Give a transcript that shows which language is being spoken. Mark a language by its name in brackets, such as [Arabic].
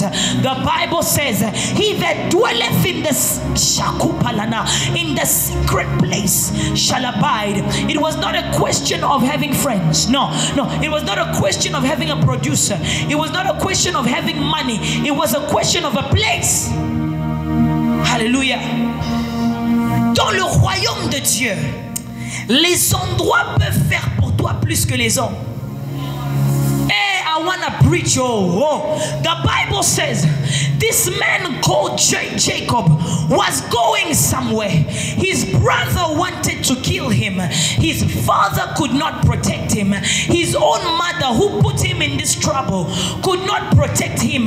[English] The Bible says, he that dwelleth in the secret place shall abide. It was not a question of having friends. No. It was not a question of having a producer. It was not a question of having money. It was a question of a place. Hallelujah. [French] Dans le royaume de Dieu, les endroits peuvent faire pour toi plus que les hommes. [English] Hey, I want to preach. Oh. The Bible says, this man called Jacob was going somewhere. His brother wanted to kill him. His father could not protect him. His own mother, who put him in this trouble, could not protect him.